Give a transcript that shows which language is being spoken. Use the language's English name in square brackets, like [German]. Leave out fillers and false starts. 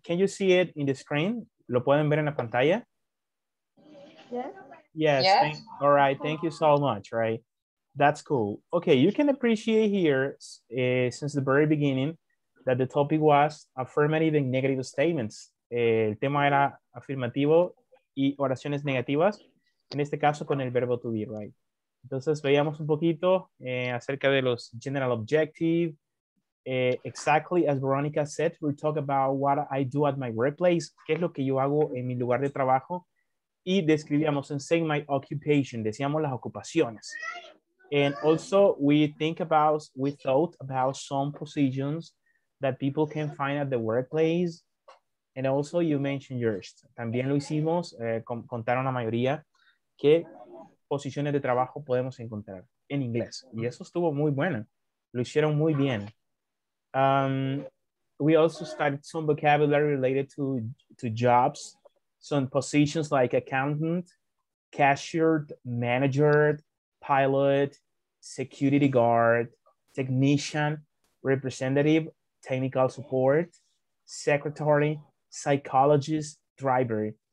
[English] Can you see it in the screen? [Spanish] ¿Lo pueden ver en la pantalla? [English] Yeah. Yes. All right, thank you so much, right? That's cool. Okay, you can appreciate here since the very beginning that the topic was affirmative and negative statements. [Spanish] El tema era afirmativo y oraciones negativas, en este caso con el verbo to be, right? Entonces veíamos un poquito acerca de los general objectives. [English] Exactly as Veronica said, we talk about what I do at my workplace, [Spanish] qué es lo que yo hago en mi lugar de trabajo, y describíamos en [English] saying my occupation, [Spanish] decíamos las ocupaciones. [English] And also we thought about some positions that people can find at the workplace. And also you mentioned yours. [Spanish] También lo hicimos, contaron la mayoría, qué posiciones de trabajo podemos encontrar en inglés. Y eso estuvo muy bueno. Lo hicieron muy bien. [English] We also studied some vocabulary related to jobs, some positions like accountant, cashier, manager, pilot, security guard, technician, representative, technical support, secretary, psychologist, driver,